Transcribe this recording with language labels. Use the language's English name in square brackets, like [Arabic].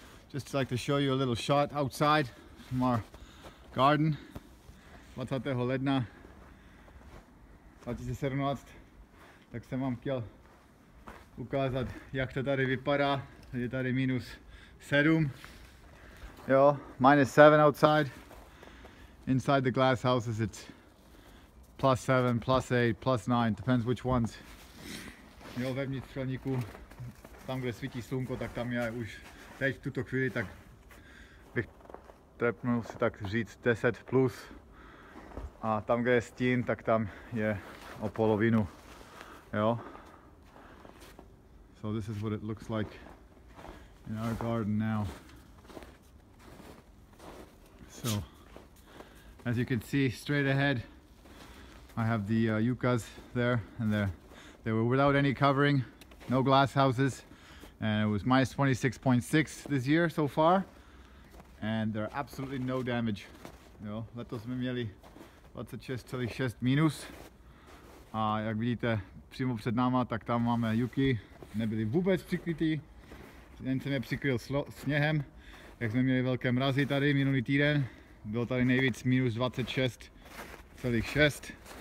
[English] Just like to show you a little shot outside from our garden. [Czech] Dvacátého ledna 2017. Tak jsem vám chtěl ukázat, jak to tady vypadá. Je tady minus 7. Jo, minus 7 [English] outside. Inside the glass houses it's plus 7, plus 8, plus 9. Depends which ones. [Czech] Jo, vevnitř skleníku. Tam, kde svítí slunko, tak tam je už teď v tuto chvíli, tak bych trepnul si tak říct 10 plus. A tam, kde je stín, tak tam je o polovinu. Jo. [English] So this is what it looks like in our garden now. So, as you can see, straight ahead, I have the yuccas there, and they were without any covering, no glass houses. And it was minus 26.6 this year so far. And there are absolutely no damage. [Czech] Jo, letos jsme měli 26.6 minus. A jak vidíte přímo před náma, tak tam máme juky. Nebyly vůbec přikrytý. Jen jsem je přikryl sněhem. Jak jsme měli velké mrazy tady minulý týden. Bylo tady nejvíc minus 26.6.